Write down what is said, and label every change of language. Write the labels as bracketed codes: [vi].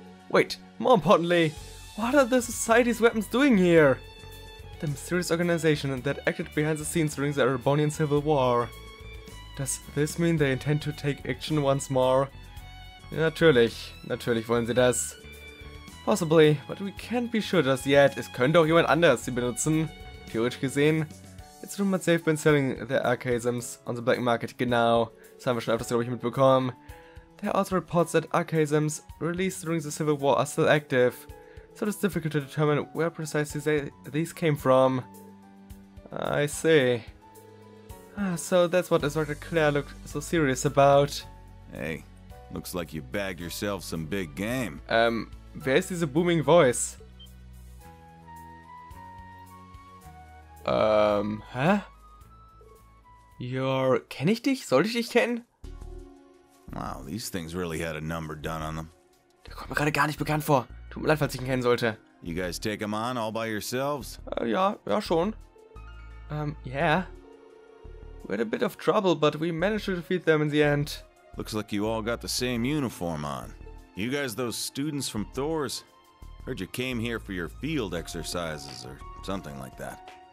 [en] Wait, more importantly, what are the Society's weapons doing here? The mysterious organization that acted behind the scenes during the Erebonian Civil War. Does this mean they intend to take action once more? [de] Natürlich wollen sie das. [en] Possibly, but we can't be sure just yet. [de] Es könnte auch jemand anders sie benutzen, theoretisch gesehen. [en] It's rumored they've been selling their archaisms on the black market, [de] genau. Das haben wir schon öfters, glaube ich, mitbekommen. [en] There are also reports that archaisms released during the Civil War are still active. So it's difficult to determine where precisely these came from. I see. So that's what Instructor Claire looked so serious about. Hey, looks like you bagged yourself some big game. [de] Wer ist diese [en] booming voice? [de] Hä? Your, kenn ich dich? Soll ich dich kennen? [en] Wow, these things really had a number done on them. [de] Der kommt mir gerade gar nicht bekannt vor. Tut mir leid, falls ich ihn kennen sollte. [en] You guys take him on all by yourselves? [de] Ja schon. [en] Yeah. We had a bit of trouble, but we managed to defeat them in the end. Looks like you all got the same uniform on. You guys those students from Thor's? Heard you came here for your field exercises or something like that.